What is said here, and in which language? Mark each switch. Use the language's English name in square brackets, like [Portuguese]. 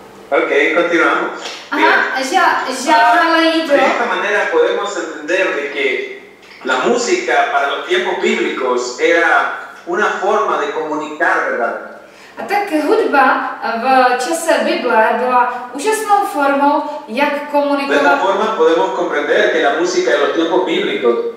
[Spanish] Ok, continuamos. Ya lo he leído. De esta manera podemos entender de que la música para los tiempos bíblicos era una forma de comunicar, ¿verdad? [Czech] A tak hudba v čase Bible byla úžasnou formou, jak komunikovat. [Spanish] De esta forma podemos comprender que la música de los tiempos bíblicos.